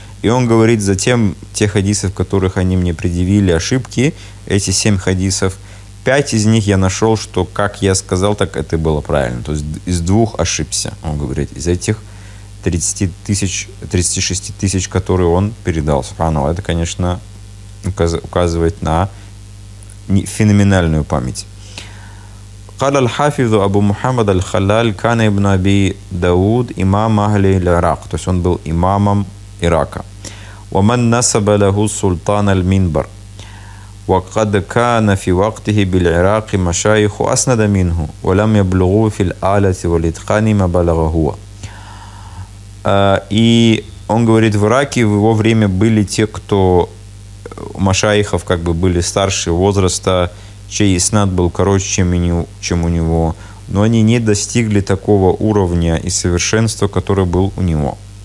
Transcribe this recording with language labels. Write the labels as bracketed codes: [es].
[ru] И он говорит, затем те хадисы, в которых они мне предъявили ошибки, эти семь хадисов, пять из них я нашел, что как я сказал, так это было правильно. То есть из двух ошибся, он говорит, из этих 36 тысяч, которые он передал. Это, конечно, указывает на феноменальную память. [ar] قال الحافظ أبو محمد الخلال كان ابن أبي داود إمام أهل العراق. [ru] То есть он был имамом Ирака. [ar] ومن نسب له سلطان المنبر وقد كان في وقته بالعراق مشايخ أسند منه ولم يبلغوا في الآلة والإتقان ما بلغ هو. [ru] И он говорит, в Ираке в его время были те, кто машаихов как бы были старше возраста, чей иснад был короче, чем у него, но они не достигли такого уровня и совершенства, которое был у него.